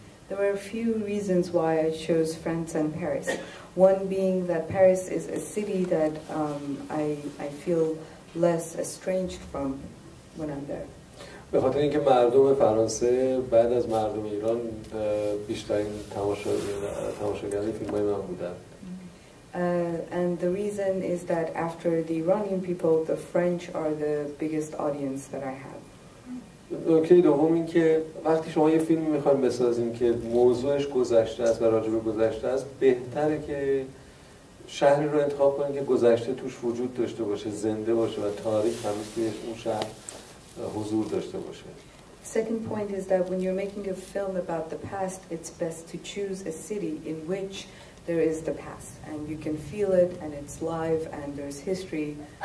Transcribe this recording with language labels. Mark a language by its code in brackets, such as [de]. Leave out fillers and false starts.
[en] There were a few reasons why I chose France and Paris. One being that Paris is a city that I feel less estranged from when I'm there. [fa] به خاطر اینکه مردم فرانسه بعد از مردم ایران بیشترین تماشاگر فیلم‌های من بودند. [en] And the reason is that after the Iranian people, the French are the biggest audience that I have. [fa] نکته دوم این که وقتی شما یه فیلم میخواییم بسازیم که موضوعش گذشته است و راجع به گذشته است، بهتره که شهری رو انتخاب کنیم که گذشته توش وجود داشته باشه، زنده باشه و تاریخ همیز که اون شهر حضور داشته باشه. [en] Second point is that when you're making a film about the past, it's best to choose a city in which there is the past and you can feel it and it's live and there's history.